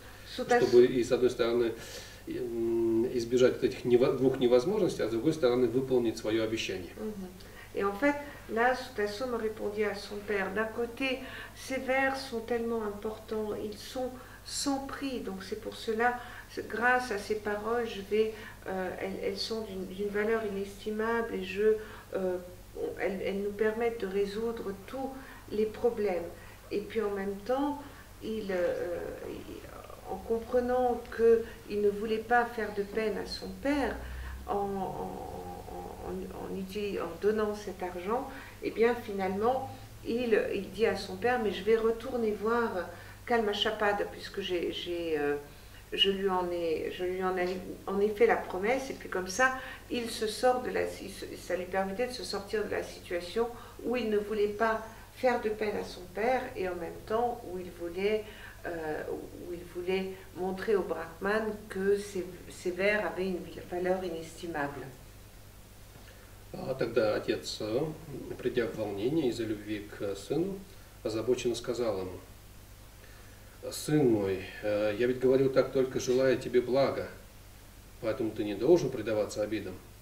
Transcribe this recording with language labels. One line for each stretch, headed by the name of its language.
Russian: чтобы и с одной стороны избежать вот этих двух невозможностей, а с другой стороны выполнить свое обещание.
French: Et en fait, là, Sutasoma répondit à son père: d'un côté, ces vers sont tellement importants, ils sont sans prix, donc c'est pour cela, grâce à ces paroles, elles sont d'une valeur inestimable, et elles nous permettent de résoudre tous les problèmes. Et puis en même temps, en comprenant qu'il ne voulait pas faire de peine à son père en donnant cet argent, et bien finalement, il dit à son père, mais je vais retourner voir Kalmachapad, puisque je lui en ai fait la promesse, et puis comme ça, ça lui permettait de se sortir de la situation où il ne voulait pas faire de peine à son père, et en même temps où il voulait montrer au Brahman que ses vers avaient une valeur inestimable.
Russian: Тогда отец, придя в волнение из-за любви к сыну, озабоченно сказал ему: «Сын мой, я ведь говорю так только желая тебе блага, поэтому ты не должен предаваться обидам.